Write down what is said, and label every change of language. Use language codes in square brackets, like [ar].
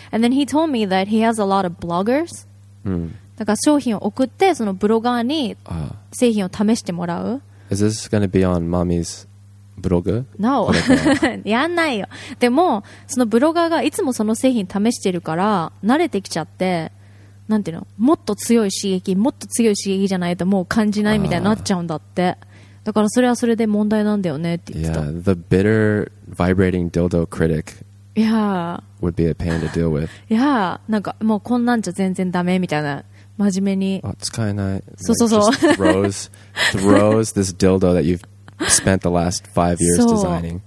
[en] And then he told me that he has a lot of bloggers. [ja] だから商品を送ってそのブロガーに製品を試してもらう。 [en] Is this going to be on mommy's blog? [ja] No, やんないよ。でもそのブロガーがいつもその製品試してるから慣れてきちゃって、なんていうの、もっと強い刺激、もっと強い刺激じゃないともう感じないみたいになっちゃうんだって。だからそれはそれで問題なんだよねって言ってた。 [en] Yeah, the bitter vibrating dildo critic Yeah would be a pain to deal with. [ja] Yeah, なんかもうこんなんじゃ全然ダメみたいな、真面目に、あ、使えない、そうそうそう、 [en] like, throws this dildo that you've spent the last 5 years designing.